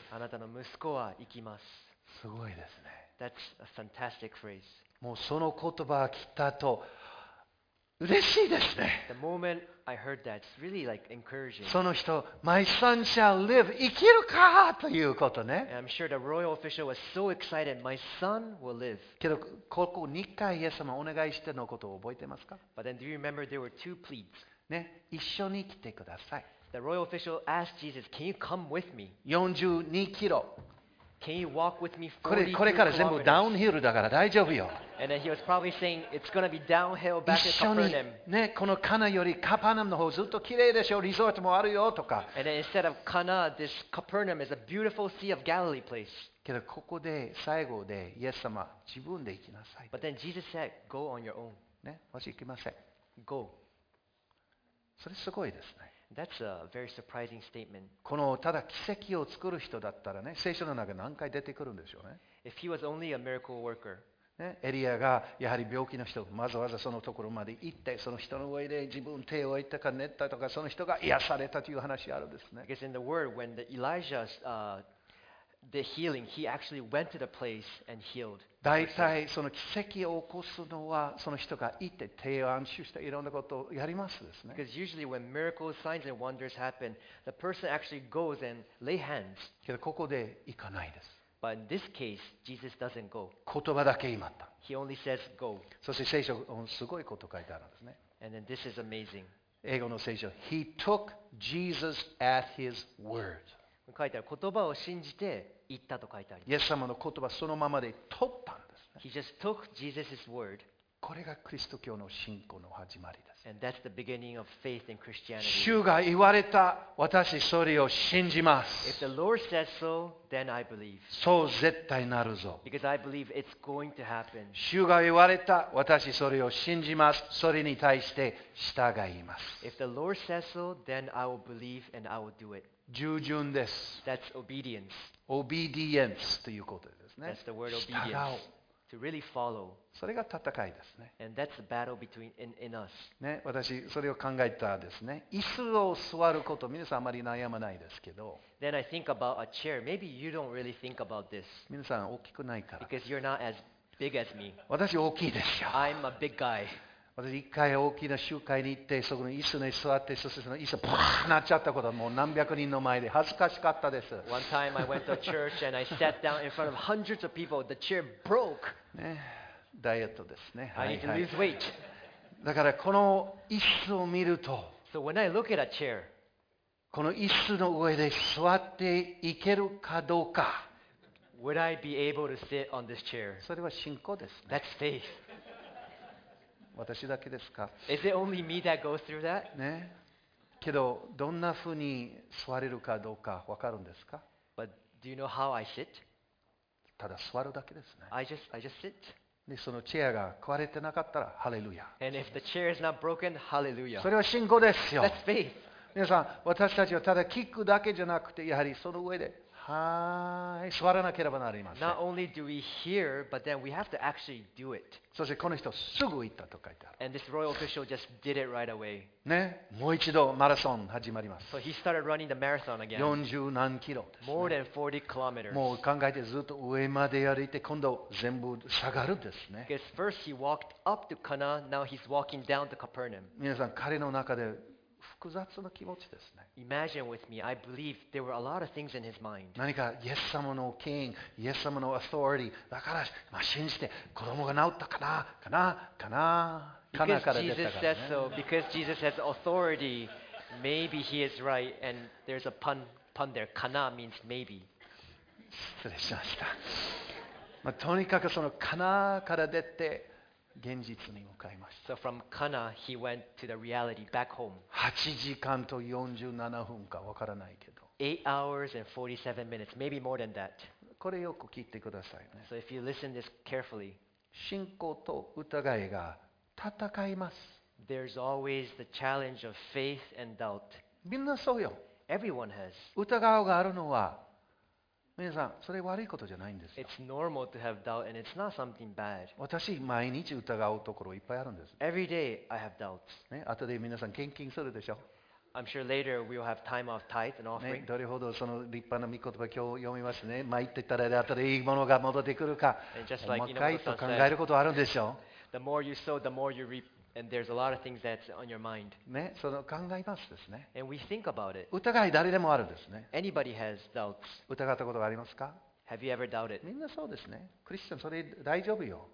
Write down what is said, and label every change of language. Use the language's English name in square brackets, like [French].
[Japanese] あなたの息子は生きます。すごいですね。 [English] That's a fantastic phrase. [Japanese] もうその言葉が来たと、嬉しいですね。 [English] The moment I heard that, it's really like encouraging. [Japanese] その人、 [English] My son shall live, [Japanese] 生きるかということね。 [English] And I'm sure the royal official was so excited, My son will live. [Japanese] けど、ここ2回イエス様お願いしてのことを覚えてますか？ [English] But then do you remember there were two pleads? [Japanese] ね、一緒に来てください。 [English] The royal official asked Jesus, Can you come with me? [Japanese] 42キロ。 [English] Can you walk with me 42 kilometers? [Japanese] これから全部ダウンヒルだから大丈夫よ。 [English] And then he was probably saying it's going to be downhill back at Capernaum. [Japanese] 一緒にね、このカナよりカパナムの方ずっと綺麗でしょ。リゾートもあるよとか。 [English] And then instead of Cana, this Capernaum is a beautiful Sea of Galilee place. [Japanese] けどここで最後でイエス様自分で行きなさい。 [English] But then Jesus said, "Go on your own." [Japanese] ね、もし行きません。 [English] Go. [Japanese] それすごいですね。 [English] That's a very surprising statement. [Japanese] このただ奇跡を作る人だったらね、聖書の中で何回出てくるんでしょうね。 [English] If he was only a miracle worker, [Japanese] ね、エリアがやはり病気の人、わざわざそのところまで行って、その人の上で自分手を置いたか寝たとか、その人が癒されたという話あるんですね。 [English] I guess in the word, when the Elijah, the healing, he actually went to the place and healed. [Japanese] だいたいその奇跡を起こすのはその人が行って手を安心していろんなことをやりますですね。 [English] Because usually when miracles, signs and wonders happen, the person actually goes and lay hands. [Japanese] けどここで行かないです。 [English] But in this case, Jesus doesn't go. [Japanese] 言葉だけ言いました。 [English] He only says go. [Japanese] そして聖書すごいこと書いてあるんですね。 [English] And then this is amazing. [Japanese] 英語の聖書、 [English] He took Jesus at His word. [Japanese] 書いてある言葉を信じて言ったと書いてあります。イエス様の言葉そのままで取ったんですね。 [English] He just took Jesus's word. [Japanese] これがクリスト教の信仰の始まりです。 [English] And that's the beginning of faith in Christianity. [Japanese] 主が言われた私それを信じます。 [English] If the Lord says so, then I believe. [Japanese] そう絶対なるぞ。 [English] Because I believe it's going to happen. [Japanese] 主が言われた私それを信じます。それに対して従います。 [English] If the Lord says so, then I will believe and I will do it. [Japanese] 従順です。 [English] That's obedience. [Japanese] Obedience ということですね。 [English] That's the word obedience. 従う。To really follow. [Japanese] それが戦いですね。 [English] And that's the battle between in us. [Japanese] ね、私それを考えたですね。椅子を座ること、皆さんあまり悩まないですけど。 [English] Then I think about a chair. Maybe you don't really think about this. [Japanese] 皆さん大きくないから。 [English] Because you're not as big as me. [Japanese] 私大きいですよ。 [English] I'm a big guy. [Japanese] 私一回大きな集会に行ってそこの椅子に座ってそしてその椅子がバーッなっちゃったことはもう何百人の前で恥ずかしかったです。 [English] One time I went to church and I sat down in front of hundreds of people. The chair broke. [Japanese] ね、ダイエットですね。 [English] I need to lose weight. [Japanese] だからこの椅子を見ると、 [English] So when I look at a chair, [Japanese] この椅子の上で座っていけるかどうか、 [English] Would I be able to sit on this chair? [Japanese] それは信仰ですね。 [English] That's faith. [Japanese] 私だけですか？ [English] Is it only me that goes through that? [Japanese] ね。けどどんな風に座れるかどうか分かるんですか？ [English] But do you know how I sit? [Japanese] ただ座るだけですね。 [English] I just sit. [Japanese] でそのチェアが壊れてなかったらハレルヤ。 [English] And if the chair is not broken, hallelujah. [Japanese] それは信仰ですよ。 [English] That's faith. [Japanese] 皆さん私たちはただ聞くだけじゃなくてやはりその上で。はい、座らなければなりません。 [English] Not only do we hear, but then we have to actually do it. [Japanese] そしてこの人すぐ行ったと書いてある。 [English] And this royal official just did it right away. [Japanese] ね、もう一度マラソン始まります。 [English] So he started running the marathon again. [Japanese] 40何キロですね。 [English] More than 40 kilometers. [Japanese] もう考えてずっと上まで歩いて今度全部下がるですね。 [English] Because first he walked up to Cana, now he's walking down to Capernaum. [Japanese] 皆さん彼の中で複雑な気持ちですね。 [English] Imagine with me, I believe there were a lot of things in his mind. [Japanese] 何かイエス様の権威、イエス様のアソーリティだから、まあ、信じて子供が治ったかな、かな、かな、かなから出たからね。 [English] Because Jesus says so, because Jesus has authority, maybe he is right, and there's a pun there, かな means maybe. [Japanese] 失礼しました。まあ、とにかくそのかなから出て、現実に向かいました。 [English] So from Cana, he went to the reality back home. [Japanese] 8時間と47分か分からないけど。 [English] 8 hours and 47 minutes, maybe more than that. [Japanese] これよく聞いてくださいね。 [English] So if you listen this carefully, [Japanese] 信仰と疑いが戦います。 [English] There's always the challenge of faith and doubt. [Japanese] みんなそうよ。 [English] Everyone has. [Japanese] 疑いがあるのは、皆さん、それ悪いことじゃないんですよ。 [English] It's normal to have doubt and it's not something bad. [Japanese] 私、毎日疑うところいっぱいあるんです。 [English] Every day I have doubts. [Japanese] ね、後で皆さん献金するでしょ。 [English] I'm sure later we will have time of tithe and offering. [Japanese] ね、どれほどその立派な御言葉今日読みますね。まあ言ってたら後でいいものが戻ってくるか、細かいと考えることあるんでしょ。 [English] The more you sow, the more you reap. And there's a lot of things that's on your mind. [Japanese] ね、その考えますですね。 [English] And we think about it. [Japanese] 疑い誰でもあるですね。 [English] Anybody has doubts. [Japanese] 疑ったことがありますか？ [English] Have you ever doubted? [Japanese] みんなそうですね。クリスチャンそれ大丈夫よ。